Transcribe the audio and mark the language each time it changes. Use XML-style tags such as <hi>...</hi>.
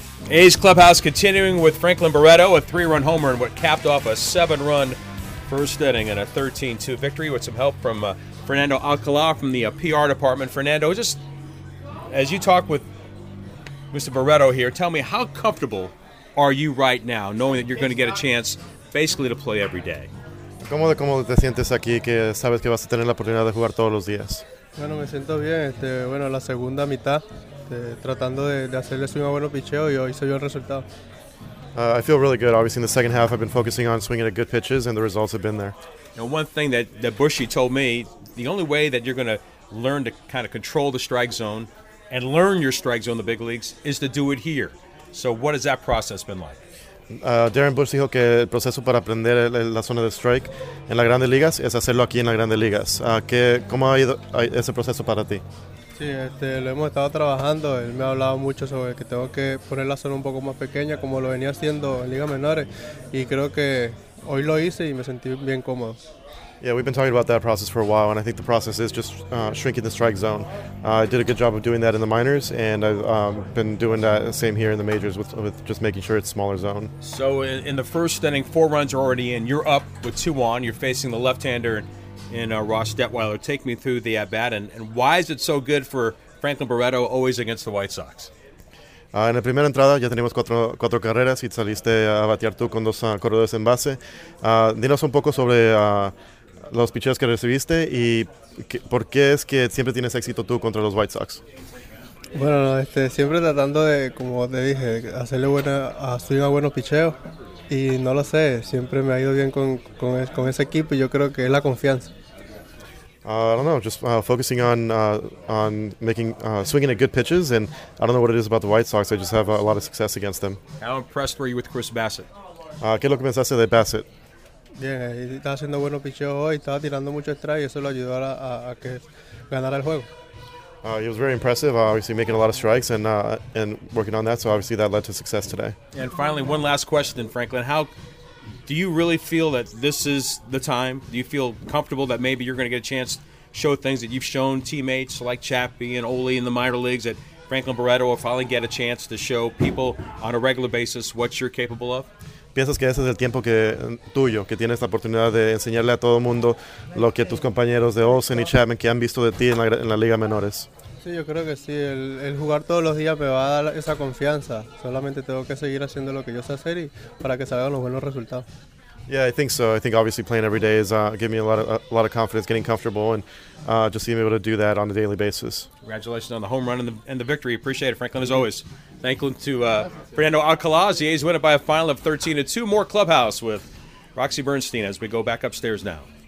<en>A's Clubhouse continuing with Franklin Barreto, a 3-run homer, and what capped off a 7-run first inning and a 13-2 victory with some help from Fernando Alcalá from the PR department. Fernando, just as you talk with Mr. Barreto here, tell me, how comfortable are you right now knowing that you're going to get a chance basically to play every day?</en> <es>¿Cómo te sientes aquí que sabes que vas a tener la oportunidad de jugar todos los días? Bueno, me siento bien. La segunda mitad, tratando de hacerle su bueno picheo y hoy se vio el resultado.</es> <en>I feel really good. Obviously, in the second half, I've been focusing on swinging at good pitches, and the results have been there. Now, one thing that Bushy told me, the only way that you're going to learn to kind of control the strike zone and learn your strike zone in the big leagues is to do it here. So what has that process been like?</en> <es>Darren Bush dijo que el proceso para aprender la zona de strike en las Grandes Ligas es hacerlo aquí en las Grandes Ligas. ¿Cómo ha ido ese proceso para ti? Sí, lo hemos estado trabajando. Él me ha hablado mucho sobre que tengo que poner la zona un poco más pequeña como lo venía haciendo en ligas menores. Y creo que hoy lo hice y me sentí bien cómodo.</es> <en>Yeah, we've been talking about that process for a while, and I think the process is just shrinking the strike zone. I did a good job of doing that in the minors, and I've been doing that same here in the majors with just making sure it's smaller zone. So in the first inning, 4 runs are already in. You're up with 2 on. You're facing the left-hander in Ross Detweiler. Take me through the at-bat, and why is it so good for Franklin Barreto always against the White Sox?</en> <es>En la primera entrada ya tenemos 4 carreras y saliste a batear tú con 2 corredores en base. Dinos un poco sobre los picheos que recibiste y por qué es que siempre tienes éxito tú contra los White Sox. Bueno, siempre tratando de, como te dije, hacerle buena, a subir a buenos picheos y no lo sé, siempre me ha ido bien con ese equipo y yo creo que es la confianza.</es> <en>Focusing on making swinging at good pitches, and I don't know what it is about the White Sox. I just have a lot of success against them. How impressed were you with Chris Bassett?</en> <es>¿Qué es lo que pensaste de Bassett? Bien, estaba haciendo buenos picheos hoy, estaba tirando mucho strike y eso lo ayudó a que ganara el juego.</es> <en>He was very impressive, obviously making a lot of strikes and working on that, so obviously that led to success today. And finally, one last question, Franklin. How Do you really feel that this is the time? Do you feel comfortable that maybe you're going to get a chance to show things that you've shown teammates like Chappie and Ole in the minor leagues, that Franklin Barreto will finally get a chance to show people on a regular basis what you're capable of?</en> <es>¿Piensas que ese es el tiempo que, tuyo, que tienes la oportunidad de enseñarle a todo el mundo lo que tus compañeros de Olsen y Chapman que han visto de ti en la Liga Menores? Sí, yo creo que sí. El jugar todos los días me va a dar esa confianza. Solamente tengo que seguir haciendo lo que yo sé hacer y para que salgan los buenos resultados.</es> <en>Yeah, I think so. I think obviously playing every day is giving me a lot of confidence, getting comfortable, and just being able to do that on a daily basis. Congratulations on the home run and the victory. Appreciate it, Franklin, as always. Thank you to Fernando Alcalá. The A's win it by a final of 13-2. More Clubhouse with Roxy Bernstein as we go back upstairs now.</en>